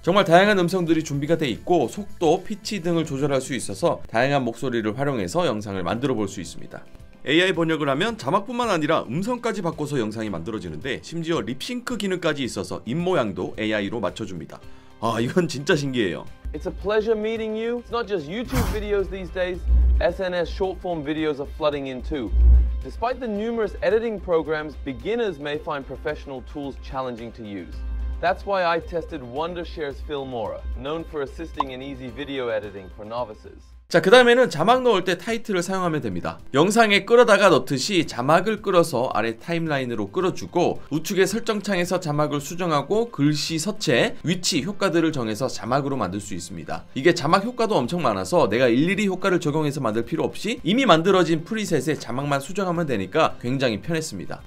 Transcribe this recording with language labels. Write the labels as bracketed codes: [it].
[ko] 정말 다양한 음성들이 준비가 돼 있고 속도, 피치 등을 조절할 수 있어서 다양한 목소리를 활용해서 영상을 만들어 볼 수 있습니다. AI 번역을 하면 자막뿐만 아니라 음성까지 바꿔서 영상이 만들어지는데 심지어 립싱크 기능까지 있어서 입모양도 AI로 맞춰줍니다. 아, 이건 진짜 신기해요. [en] It's a pleasure meeting you. It's not just YouTube videos these days. SNS short form videos are flooding in too. Despite the numerous editing programs, beginners may find professional tools challenging to use. That's why I tested Wondershare's Filmora, known for assisting in easy video editing for novices. [ko] 자, 그 다음에는 자막 넣을 때 타이틀을 사용하면 됩니다. 영상에 끌어다가 넣듯이 자막을 끌어서 아래 타임라인으로 끌어주고 우측의 설정창에서 자막을 수정하고 글씨, 서체, 위치, 효과들을 정해서 자막으로 만들 수 있습니다. 이게 자막 효과도 엄청 많아서 내가 일일이 효과를 적용해서 만들 필요 없이 이미 만들어진 프리셋에 자막만 수정하면 되니까 굉장히 편했습니다.